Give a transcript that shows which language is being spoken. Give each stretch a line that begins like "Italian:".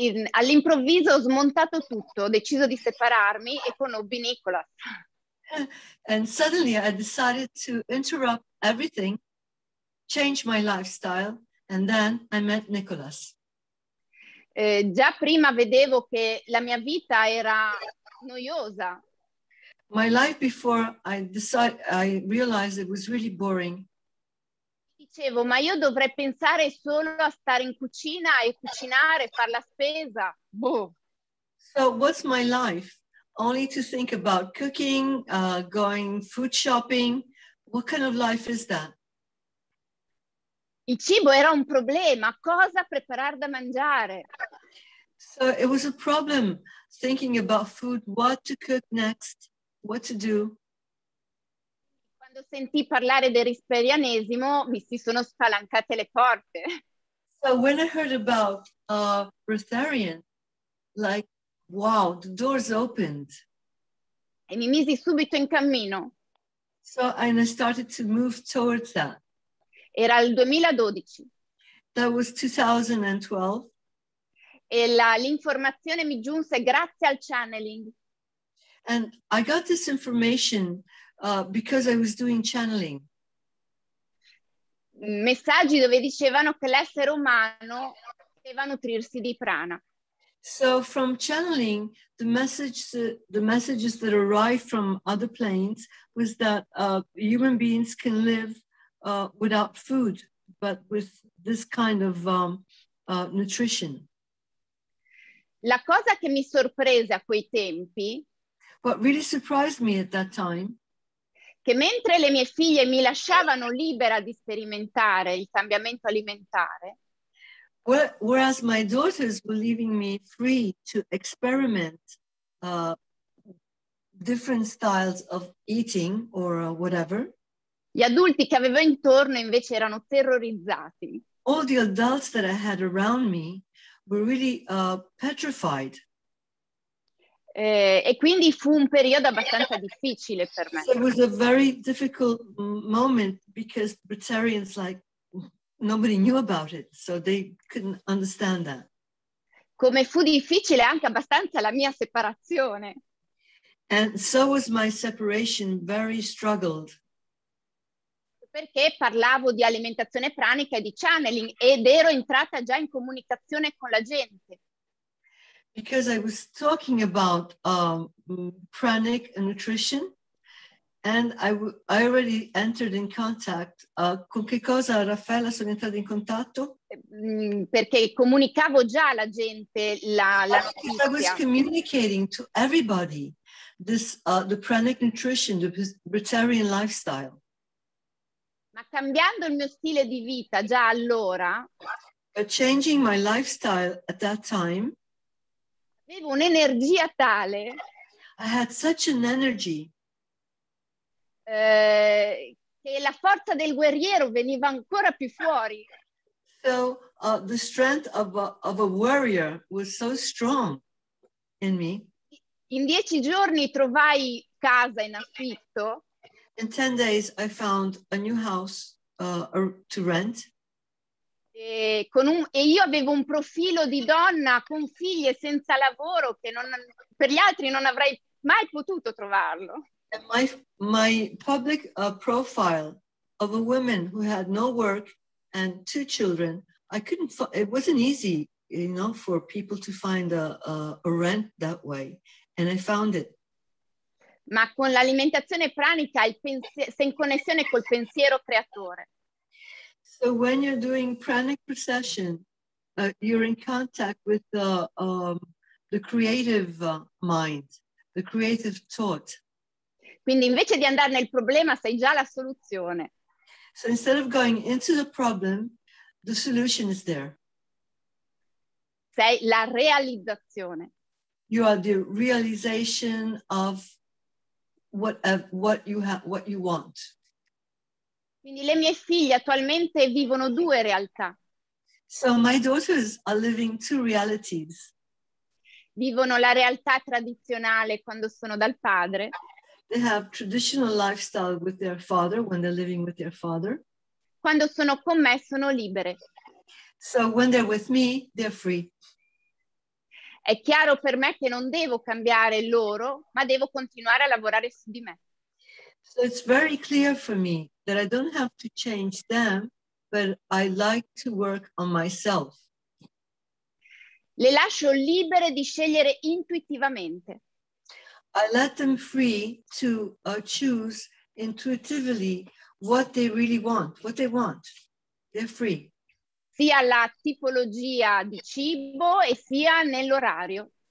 Italian: All'improvviso ho smontato tutto, ho deciso di separarmi e conobbi Nicholas.
English: And suddenly I decided to interrupt everything, change my lifestyle, and then I met Nicholas.
Italian: Già prima vedevo che la mia vita era noiosa. My life before I realized it was really boring. Dicevo, ma io dovrei pensare solo a stare in cucina e cucinare, far la spesa. Boh.
English: So what's my life? Only to think about cooking, going food shopping. What kind of life is that?
Italian: Il cibo era un problema. Cosa preparare da mangiare?
English: So it was a problem thinking about food, what to cook next, what to do.
Italian: Quando sentì parlare del risperianesimo, mi si sono spalancate le porte.
English: So when I heard about Rotharian, like, wow, the doors opened.
Italian: E mi misi subito in cammino.
English: So and I started to move towards that.
Italian: Era il 2012.
English: That was 2012.
Italian: E l'informazione mi giunse grazie al channeling.
English: And I got this information because I was doing channeling.
Italian: Messaggi dove dicevano che l'essere umano doveva nutrirsi di prana.
English: So from channeling, the messages that arrived from other planes was that human beings can live without food, but with this kind of nutrition.
Italian: La cosa che mi sorprese a quei tempi.
English: What really surprised me at that time.
Italian: Che mentre le mie figlie mi lasciavano libera di sperimentare il cambiamento alimentare.
English: Whereas my daughters were leaving me free to experiment different styles of eating or whatever.
Italian: Gli adulti che avevo intorno invece erano terrorizzati.
English: All the adults that I had around me were really petrified.
Italian: E quindi fu un periodo abbastanza difficile per me.
English: So it was a very difficult moment because Britarians, like, nobody knew about it, so they couldn't understand that.
Italian: Come fu difficile anche abbastanza la mia separazione.
English: And so was my separation, very struggled.
Italian: Perché parlavo di alimentazione pranica e di channeling ed ero entrata già in comunicazione con la gente. because I was talking about pranic and nutrition, and I already entered in contact. Con che cosa, Raffaella, sono entrata in contatto? Perché comunicavo già alla gente la notizia.
English: I was communicating to everybody this the pranic nutrition, the vegetarian lifestyle.
Italian: Ma cambiando il mio stile di vita già allora,
English: changing my lifestyle at that time,
Italian: avevo un'energia tale,
English: I had such an energy,
Italian: che la forza del guerriero veniva ancora più fuori.
English: So the strength of a warrior was so strong in me.
Italian: In 10 giorni trovai casa in affitto.
English: In 10 days I found a new house to rent.
Italian: E io avevo un profilo di donna con figlie senza lavoro che non, per gli altri non avrei mai potuto trovarlo.
English: And my public profile of a woman who had no work and 2 children, I couldn't. It wasn't easy, you know, for people to find a rent that way, and I found it.
Italian: Ma con l'alimentazione pranica, sei in connessione col pensiero creatore.
English: So when you're doing pranic procession, you're in contact with the creative mind, the creative thought.
Italian: Quindi invece di andare nel problema, sei già la soluzione.
English: So instead of going into the problem, the solution is there.
Italian: Sei la realizzazione.
English: You are the realization of what you want.
Italian: Quindi le mie figlie attualmente vivono 2 realtà.
English: So my daughters are living 2 realities.
Italian: Vivono la realtà tradizionale quando sono dal padre.
English: They have traditional lifestyle with their father when they're living with their father.
Italian: Quando sono con me sono libere.
English: So when they're with me, they're free.
Italian: È chiaro per me che non devo cambiare loro, ma devo continuare a lavorare su di me.
English: So it's very clear for me that I don't have to change them, but I like to work on myself.
Italian: Le lascio libere di scegliere intuitivamente.
English: I let them free to choose intuitively what they really want, what they want. They're free.
Italian: Sia la tipologia di cibo e sia nell'orario.